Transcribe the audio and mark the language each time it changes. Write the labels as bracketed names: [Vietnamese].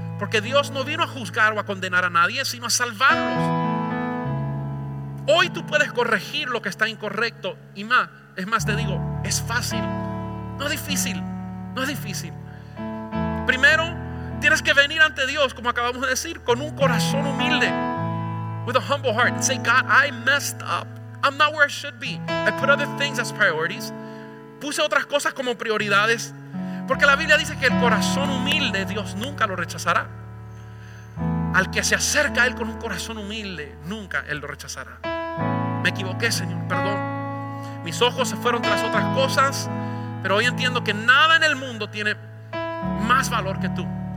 [Spanish] Porque Dios no vino a juzgar o a condenar a nadie, sino a salvarlos. Hoy tú puedes corregir lo que está incorrecto. Y más, es más, te digo, es fácil. No es difícil, no es difícil. Primero, tienes que venir ante Dios, como acabamos de decir, con un corazón humilde. [English] With a humble heart. Say, God, I messed up. I'm not where I should be. I put other things as priorities. [Spanish] puse otras cosas como prioridades, porque la Biblia dice que el corazón humilde Dios nunca lo rechazará. Al que se acerca a Él con un corazón humilde, nunca Él lo rechazará. Me equivoqué, Señor, perdón. Mis ojos se fueron tras otras cosas, pero hoy entiendo que nada en el mundo tiene más valor que tú.